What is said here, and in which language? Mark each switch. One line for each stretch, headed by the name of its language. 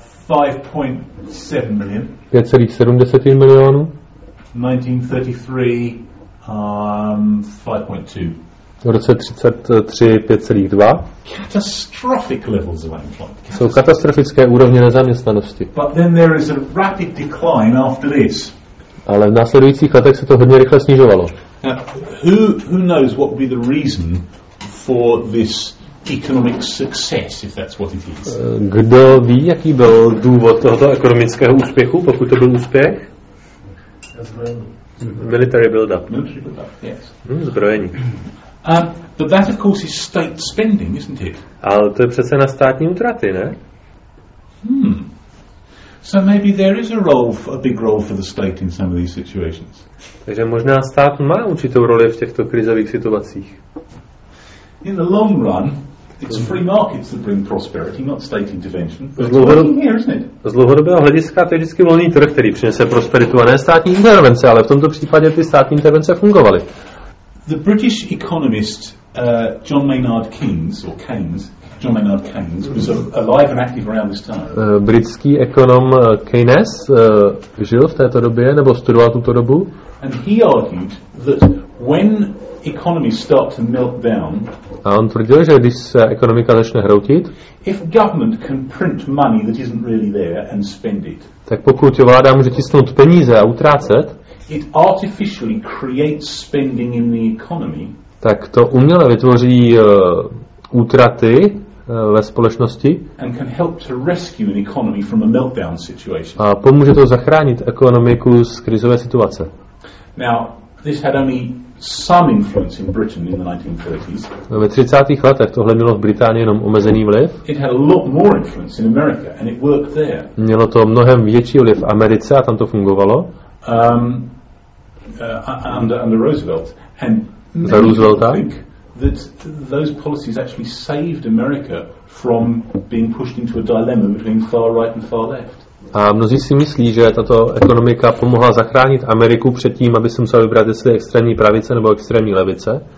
English: 5.7 milion.
Czech: 5,7 milionu.
English: 1933, 5.2.
Czech: V roce 33 5,2. Jsou katastrofické úrovně nezaměstnanosti.
English: But then there is a rapid decline after this.
Czech: Ale v následujících letech se to hodně rychle snižovalo.
English: Who knows what would be the reason for this economic success, if that's what it is?
Czech: Kdo ví, jaký byl důvod tohoto ekonomického úspěchu, pokud to byl úspěch?
English: Military build-up.
Czech: Zbrojení.
English: But that, of course, is state spending, isn't it?
Czech: Ale to je přece na státní utraty, ne?
English: So maybe there is a big role for the state in some of these situations.
Czech: Takže možná stát má určitou roli v těchto krizových situacích.
English: In the long run, it's free markets that bring prosperity, not state intervention.
Czech: Z dlouhodobého hlediska to je vždycky volný trh, který přinese prosperitu, a ne státní intervence, ale v tomto případě ty státní intervence fungovaly.
English: The British economist John Maynard Keynes, or Keynes, John Maynard Keynes, was alive and active around this time.
Czech: Britský ekonom Keynes žil v této době, nebo studoval tuto dobu.
English: And he argued that when economies start to melt down,
Czech: a on tvrdil, že když se ekonomika začne hroutit,
English: if government can print money that isn't really there and spend it,
Czech: tak pokud vláda může tisknout peníze a utrácet,
English: it artificially creates spending in the economy.
Czech: Tak to uměle vytvoří útraty ve společnosti.
English: And can help to rescue an economy from a meltdown situation.
Czech: A pomůže to zachránit ekonomiku z krizové situace.
English: Now, this had only some influence in Britain in the 1930s.
Czech: Ve 30. letech tohle mělo v Británii jenom omezený vliv.
English: It had a lot more influence in America and it worked there.
Czech: Mělo to mnohem větší vliv v Americe a tam to fungovalo.
English: under Roosevelt. And the Roosevelt think that those policies actually saved America from being pushed into a dilemma between far right and far left.
Czech: A mnozí si myslí, že tato ekonomika pomohla zachránit Ameriku před tím, aby se musela vybrat, jestli extrémní pravice nebo extrémní levice.